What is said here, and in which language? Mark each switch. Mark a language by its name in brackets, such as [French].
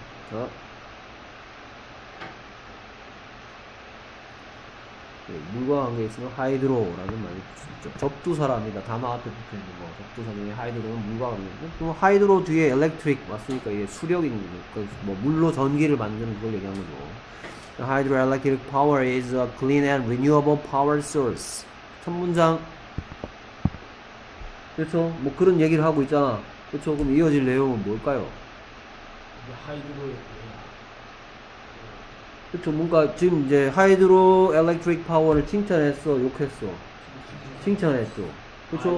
[Korean] 자, 네, 물과 관계 있으면 하이드로라는 말이 붙죠. 접두사랍니다. 단어 앞에 붙어 있는 거. 접두사 중에 하이드로는 물과 관계. 그럼 하이드로 뒤에 electric 맞습니까? 이게 수력인 거죠. 그러니까 뭐 물로 전기를 만드는 그걸 얘기하는 거죠. [English] Hydroelectric power is a clean and renewable power source. [Korean] 첫 문장. 그렇죠? 뭐 그런 얘기를 하고 있잖아. 그렇죠? 그럼 이어질 내용은 뭘까요? 하이드로에 대한. 그렇죠? 뭔가 지금 이제 hydroelectric power를 칭찬했어? 욕했어? 칭찬했어. 그렇죠?